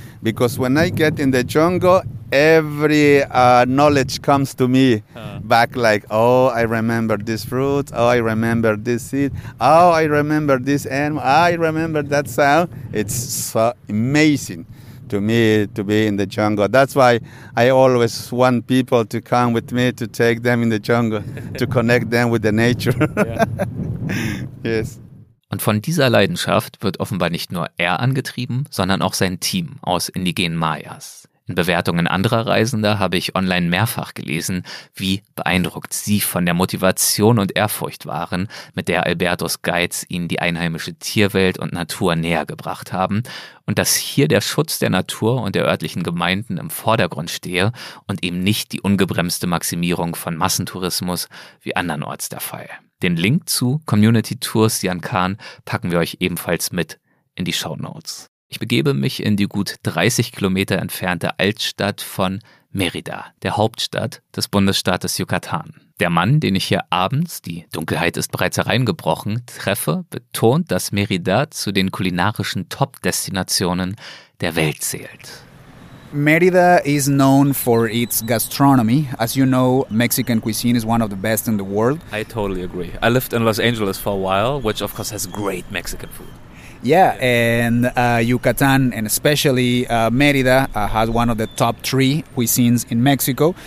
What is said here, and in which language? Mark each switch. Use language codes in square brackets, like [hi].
[en] because when I get in the jungle, every knowledge comes to me back, like, oh, I remember this fruit, oh, I remember this seed, oh, I remember this animal, I remember that sound. It's so amazing to me to be in the jungle. That's why I always want people to come with me to take them in the jungle, to connect them with the nature. Yes. [de] Und von dieser Leidenschaft wird offenbar nicht nur er angetrieben, sondern auch sein Team aus indigenen Mayas. In Bewertungen anderer Reisender habe ich online mehrfach gelesen, wie beeindruckt sie von der Motivation und Ehrfurcht waren, mit der Albertos Guides ihnen die einheimische Tierwelt und Natur näher gebracht haben und dass hier der Schutz der Natur und der örtlichen Gemeinden im Vordergrund stehe und eben nicht die ungebremste Maximierung von Massentourismus wie andernorts der Fall. Den Link zu Community Tours Jan Kahn packen wir euch ebenfalls mit in die Shownotes. Ich begebe mich in die gut 30 Kilometer entfernte Altstadt von Mérida, der Hauptstadt des Bundesstaates Yucatan. Der Mann, den ich hier abends, die Dunkelheit ist bereits hereingebrochen, treffe, betont, dass Mérida zu den kulinarischen Top-Destinationen der Welt zählt. [en] Mérida is known for its gastronomy. As you know, Mexican cuisine is one of the best in the world. I totally agree. I lived in Los Angeles for a while, which of course has great Mexican food. Yeah, and Yucatan, and especially Mérida, has one of the top three cuisines in Mexico.